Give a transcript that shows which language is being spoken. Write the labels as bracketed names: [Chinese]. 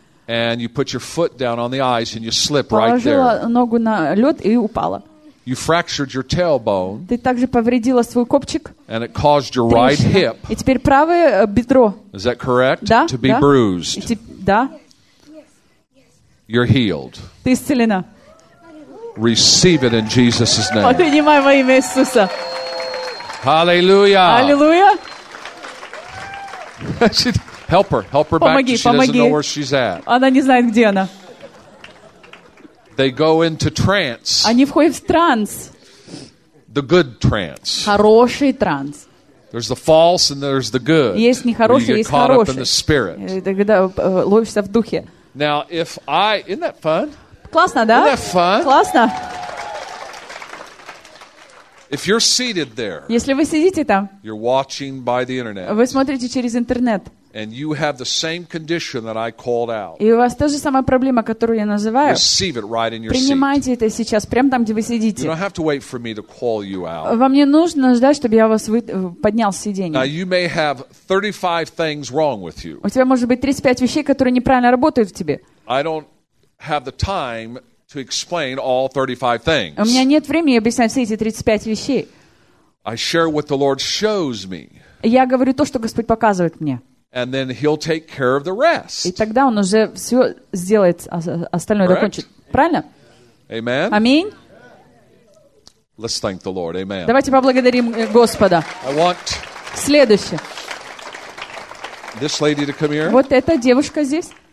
[English] and you put your foot down on the ice and you slip right there. [Russian] Положила ногу на лед и упала. [English] You fractured your tailbone, [Russian] ты также повредила свой копчик, [English] and it caused your right hip, [Russian] и теперь правое бедро. [English] Is that correct? [Russian] Да, [English] to be [Russian] да. [English] Bruised. [Russian] Да. [English] You're healed. [Russian] Ты исцелена. [English] Receive it in Jesus' name. [Russian] Принимай во имя Иисуса. [English] Hallelujah. Hallelujah. Help her. Help her [Russian] помоги, [English] back. She [Russian] помоги. [English] Doesn't know where she's at. [Russian] Она не знает, где она. [English] They go into trance. [Russian] Они входят в транс. [English] The good trance. [Russian] Хороший транс. [English] There's the false and there's the good. [Russian] Есть нехороший, [English] where you [Russian] есть [English] get [Russian] хороший. [English] Caught up in the spirit. [Russian] Когда ловишься в духе. [English] Now, if I isn't that fun? [Russian] Классно, да? [English] Isn't that fun? [Russian] Классно. [English] If you're seated there, [Russian] если вы сидите там, [English] you're watching by the internet, [Russian] вы смотрите через интернет, [English] and you have the same condition that I called out. [Russian] И у вас та же самая проблема, которую я называю. [English] Receive it right in your [Russian] принимайте [English] seat. [Russian] Принимайте это сейчас прямо там, где вы сидите. [English] You don't have to wait for me to call you out. [Russian] Вам не нужно ждать, чтобы я вас поднял с сиденья. [English] Now you may have 35 things wrong with you. [Russian] У тебя может быть 35 вещей, которые неправильно работают в тебе. [English] I don't have the time to explain all 35 things. [Russian] У меня нет времени объяснять все эти 35 вещей. [English] I share what the Lord shows me. [Russian] Я говорю то, что Господь показывает мне. [English] And then he'll take care of the rest. [Russian] И тогда он уже все сделает, остальное закончит. Правильно? [English] Amen. [Russian] Аминь. [English] Let's thank the Lord. Amen. [Russian] Давайте поблагодарим Господа. [English] I want [Russian] следующее. [English] This lady to come here. [Russian] Вот эта девушка здесь.